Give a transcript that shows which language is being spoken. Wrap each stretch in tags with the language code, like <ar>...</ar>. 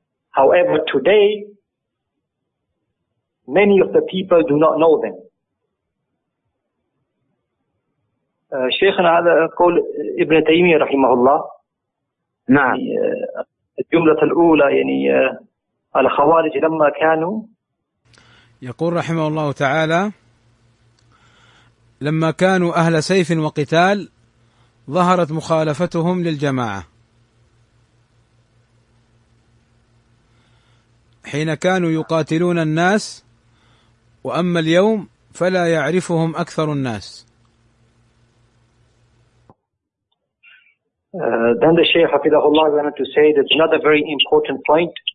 <en>However, today, many of the people do not know them.</en> <ar>Shaykhana ala qawl Ibn Taymiyyah rahimahullah. Nah. Jumlat al-ula, yani, الخوارج لما كانوا يقول رحمه الله تعالى لما كانوا أهل سيف وقتال ظهرت مخالفتهم للجماعة حين كانوا يقاتلون الناس وأما اليوم فلا يعرفهم أكثر الناس.</ar> <en>Then the Shaykh</en> <ar>حفظه الله</ar> <en>wanted to say that another very important point.</en>